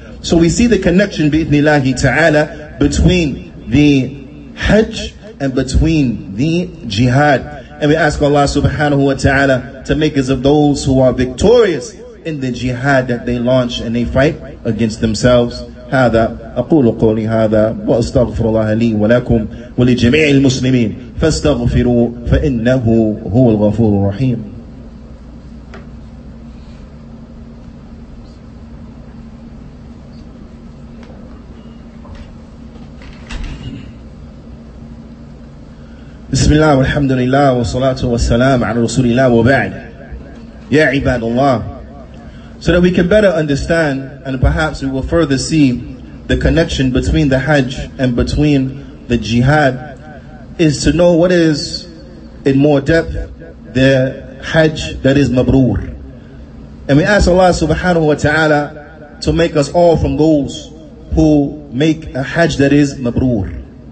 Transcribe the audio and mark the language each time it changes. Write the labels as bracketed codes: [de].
[en] So we see the connection, bi-ithnillahi ta'ala, between the Hajj and between the jihad. And we ask Allah subhanahu wa ta'ala to make us of those who are victorious in the jihad that they launch and they fight against themselves. [ar] هذا أقول قولي هذا وأستغفر الله لي ولكم ولجميع المسلمين فاستغفروا فإنه هو الغفور الرحيم. بسم الله والحمد لله والصلاة والسلام على رسول الله وبعد يا عباد الله. [en] So that we can better understand, and perhaps we will further see the connection between the Hajj and between the Jihad, is to know what is in more depth the Hajj that is Mabrur. And we ask Allah subhanahu wa ta'ala to make us all from those who make a Hajj that is Mabrur.